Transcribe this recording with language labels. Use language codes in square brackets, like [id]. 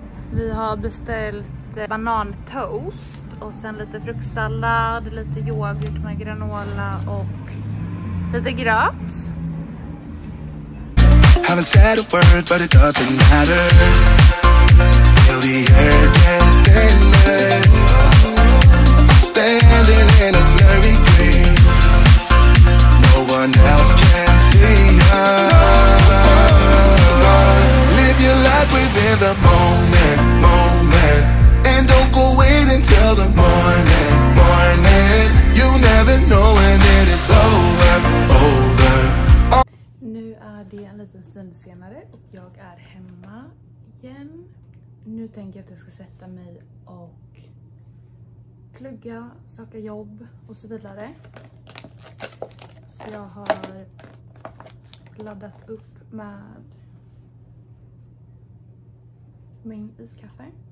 [sv] Vi har beställt banantoast och sen lite fruktsallad, lite yoghurt med granola och lite gröt. [en] Haven't said a word, but it doesn't matter. Feel the air getting thinner. Standing in a blurry dream. No one else can see her. Live your life within the moment, moment. And don't go wait until the morning, morning. You never know when it is over, over. [sv] Nu är det en liten stund senare. Jag är hemma igen. Nu tänker jag att jag ska sätta mig och plugga, söka jobb och så vidare. Så jag har laddat upp med min iskaffe.